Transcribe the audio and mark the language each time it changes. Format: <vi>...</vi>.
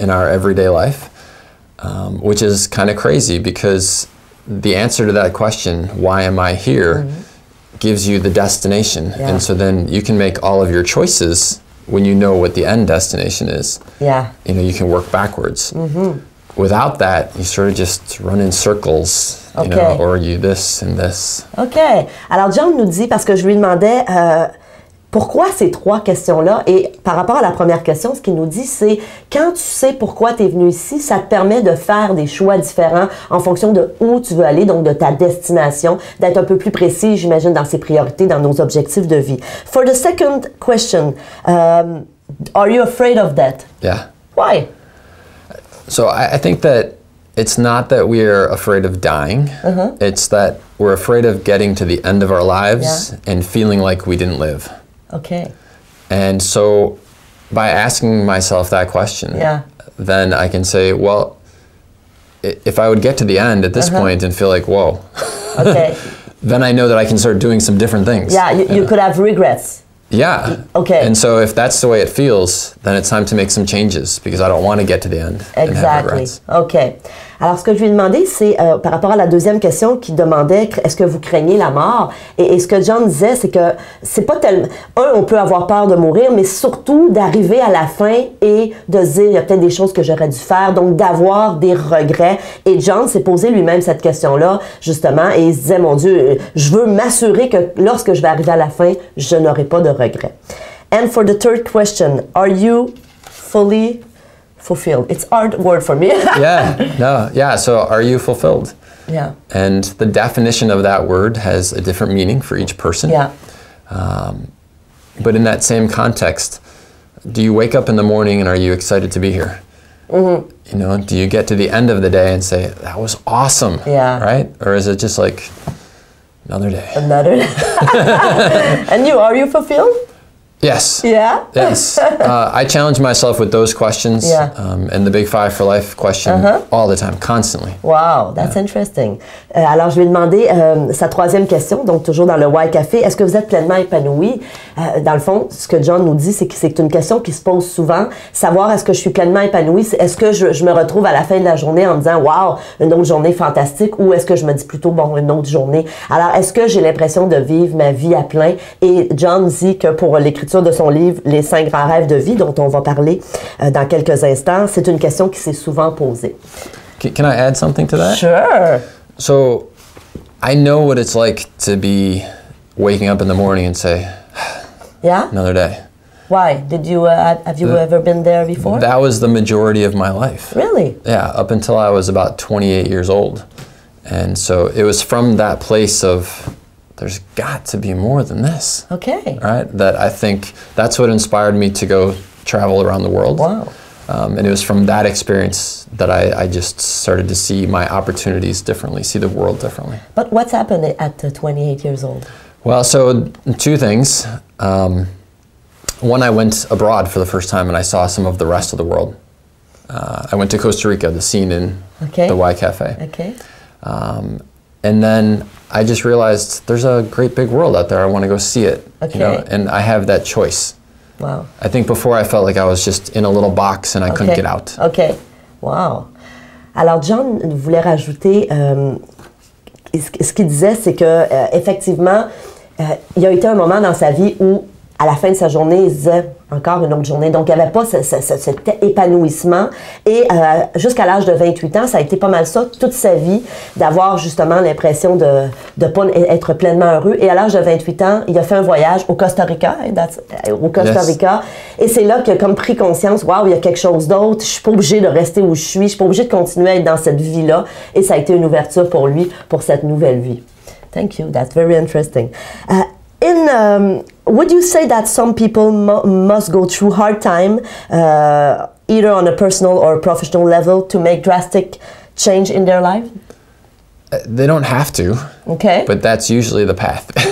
<en>in our everyday life, which is kind of crazy because the answer to that question, why am I here, mm-hmm. gives you the destination. Yeah. And so then you can make all of your choices when you know what the end destination is. Yeah. You know, you can work backwards. Mm-hmm. Without that, you sort of just run in circles, you okay. know, or you this and this. OK.</en> <fr>Alors, John nous dit, parce que je lui demandais pourquoi ces trois questions-là, et par rapport à la première question, ce qu'il nous dit, c'est quand tu sais pourquoi tu es venu ici, ça te permet de faire des choix différents en fonction de où tu veux aller, donc de ta destination, d'être un peu plus précis, j'imagine, dans ses priorités, dans nos objectifs de vie.</fr> <en>For the second question, are you afraid of that? Yeah. Why? So I think that It's not that we are afraid of dying. Uh-huh. It's that we're afraid of getting to the end of our lives yeah. and feeling like we didn't live. Okay. And so by asking myself that question, then I can say, well, if I would get to the end at this point and feel like, whoa, okay. then I know that I can start doing some different things. Yeah, you could have regrets. Yeah. Okay. And so if that's the way it feels, then it's time to make some changes because I don't want to get to the end. Exactly. Okay.</en> <fr>Alors, ce que je lui ai demandé, c'est par rapport à la deuxième question qui demandait est-ce que vous craignez la mort? Et ce que John disait, c'est que c'est pas tellement. Un, on peut avoir peur de mourir, mais surtout d'arriver à la fin et de se dire il y a peut-être des choses que j'aurais dû faire, donc d'avoir des regrets. Et John s'est posé lui-même cette question-là, justement, et il se disait mon Dieu, je veux m'assurer que lorsque je vais arriver à la fin, je n'aurai pas de regrets.</fr> <en>And for the third question, are you fully fulfilled? It's a hard word for me. So are you fulfilled? Yeah. And the definition of that word has a different meaning for each person. Yeah. But in that same context, do you wake up in the morning and are you excited to be here? Mm-hmm. You know, do you get to the end of the day and say, that was awesome? Yeah. Right? Or is it just like another day? Another day. And you, are you fulfilled? Yes. Yeah? Yes. I challenge myself with those questions and the big five for life question all the time, constantly. Wow, that's interesting.</en> <fr>Alors, je lui ai demandé sa troisième question, donc toujours dans le Y Café. Est-ce que vous êtes pleinement épanoui? Dans le fond, ce que John nous dit, c'est une question qui se pose souvent. Savoir est-ce que je suis pleinement épanoui, est-ce que je me retrouve à la fin de la journée en me disant, wow, une autre journée fantastique, ou est-ce que je me dis plutôt, bon, une autre journée? Alors, est-ce que j'ai l'impression de vivre ma vie à plein? Et John dit que pour l'écriture de son livre, Les cinq grands rêves de vie, dont on va parler dans quelques instants, c'est une question qui s'est souvent posée.</fr> <en>Can I add something to that? Sure. So, I know what it's like to be waking up in the morning and say, yeah? Another day. Why? Did you have you ever been there before? That was the majority of my life. Really? Yeah, up until I was about 28 years old. And so, it was from that place of, there's got to be more than this. Okay. Right? That I think that's what inspired me to go travel around the world. Wow. And it was from that experience that I just started to see my opportunities differently, see the world differently. But what's happened at 28 years old? Well, so two things. One, I went abroad for the first time and I saw some of the rest of the world. I went to Costa Rica, the scene in the Y Cafe. Okay. And then I just realized there's a great big world out there. I want to go see it. Okay. You know, and I have that choice. Wow. I think before I felt like I was just in a little box and I couldn't get out. Okay. Wow.</en> <fr>Alors, John voulait rajouter, ce qu'il disait, c'est que, effectivement, il y a eu un moment dans sa vie où, à la fin de sa journée, il disait encore une autre journée. Donc, il n'y avait pas cet épanouissement. Et jusqu'à l'âge de 28 ans, ça a été pas mal ça toute sa vie, d'avoir justement l'impression de ne pas être pleinement heureux. Et à l'âge de 28 ans, il a fait un voyage au Costa Rica.</fr> <en>Yes.</en> <fr>Et c'est là qu'il a comme pris conscience, wow, il y a quelque chose d'autre. Je ne suis pas obligée de rester où je suis. Je ne suis pas obligée de continuer à être dans cette vie-là. Et ça a été une ouverture pour lui, pour cette nouvelle vie.</fr> <en>Thank you. That's very interesting. Would you say that some people must go through hard time, either on a personal or a professional level, to make drastic change in their life? They don't have to. Okay. But that's usually the path.</en>